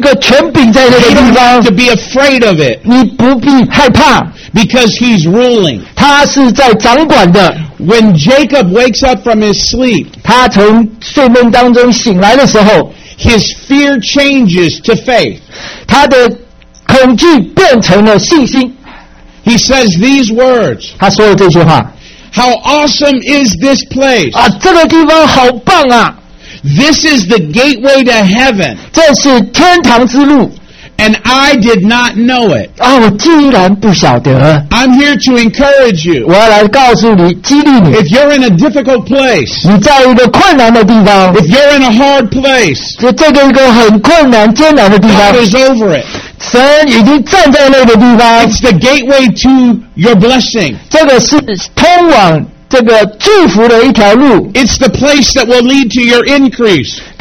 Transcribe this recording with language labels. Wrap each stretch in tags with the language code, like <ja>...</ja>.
<en>don't have to be afraid of it.</en> <zh>你不必害怕,</zh> <en>because he's ruling.</en> <zh>他是在掌管的,</zh> <en>when Jacob wakes up from his sleep,</en> <zh>他从睡梦当中醒来的时候,</zh> <en>his fear changes to faith.</en> <zh>他的恐惧变成了信心。</zh> <en>He says these words.</en> <zh>他说了这句话,</zh> <en>How awesome is this place?</en> <zh>啊, 这个地方好棒啊,</zh> <en>this is the gateway to heaven.</en> <zh>这是天堂之路,</zh> <en>and I did not know it.</en> <zh>啊, 我竟然不晓得,</zh> <en>I'm here to encourage you.</en> <zh>我要来告诉你, 激励你,</zh> <en>if you're in a difficult place,</en> <zh>你在一个困难的地方,</zh> <en>if you're in a hard place,</en> <zh>这个一个很困难艰难的地方,</zh> <en>God is over it.</en> <zh>神已经站在那个地方,</zh> <en>it's the gateway to your blessing.</en> <zh>这个是通往这个祝福的一条路,</zh> <en>it's the place that will lead to your increase.</en>